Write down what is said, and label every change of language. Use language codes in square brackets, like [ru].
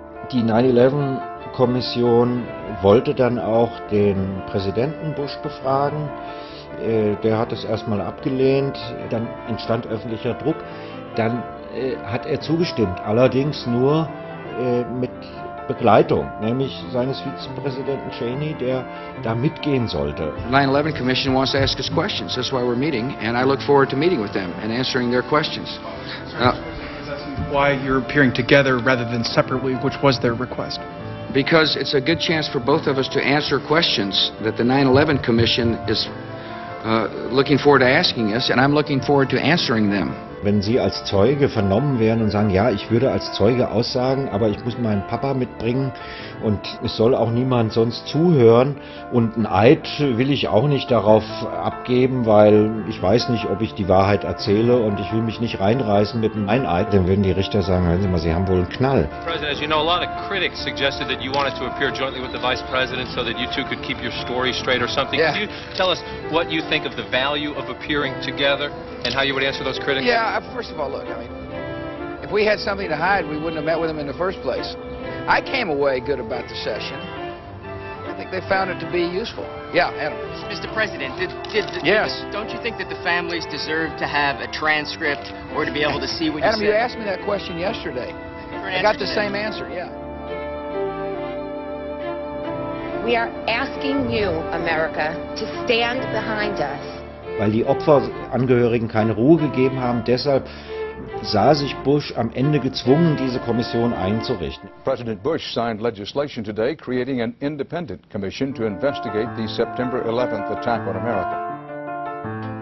[de] Die 9/11 Kommission wollte dann auch den Präsidenten Bush befragen. Der hat es erstmal abgelehnt, dann entstand öffentlicher Druck. Dann hat er zugestimmt, allerdings nur mit Begleitung, nämlich seines Vizepräsidenten Cheney, der da mitgehen sollte. [en] The 9/11 Commission wants to ask us questions. That's why we're meeting and I look forward to meeting with them and answering their questions. Why you're appearing together rather than separately, which was their request? Because it's a good chance for both of us to answer questions that the 9/11 Commission is looking forward to asking us, and I'm looking forward to answering them. [de] Wenn Sie als Zeuge vernommen werden und sagen, ja, ich würde als Zeuge aussagen, aber ich muss meinen Papa mitbringen und es soll auch niemand sonst zuhören und ein Eid will ich auch nicht darauf abgeben, weil ich weiß nicht, ob ich die Wahrheit erzähle und ich will mich nicht reinreißen mit meinem Eid, dann würden die Richter sagen, hören Sie mal, Sie haben wohl einen Knall. [en] President, as you know, a lot of critics suggested that you wanted to appear jointly with the Vice President so that you two could keep your story straight or something. Yeah. Can you tell us what you think of the value of appearing together? And how you would answer those critics? Yeah, first of all, look, I mean, if we had something to hide, we wouldn't have met with them in the first place. I came away good about the session. I think they found it to be useful. Yeah, Adam. Mr. President, don't you think that the families deserve to have a transcript or to be able to see what you Adam, said? Adam, you asked me that question yesterday. I got the same answer, yeah. We are asking you, America, to stand behind us. [de] Weil die Opferangehörigen keine Ruhe gegeben haben, deshalb sah sich Bush am Ende gezwungen, diese Kommission einzurichten. [en] President Bush signed legislation today creating an independent commission to investigate the September 11th attack on America.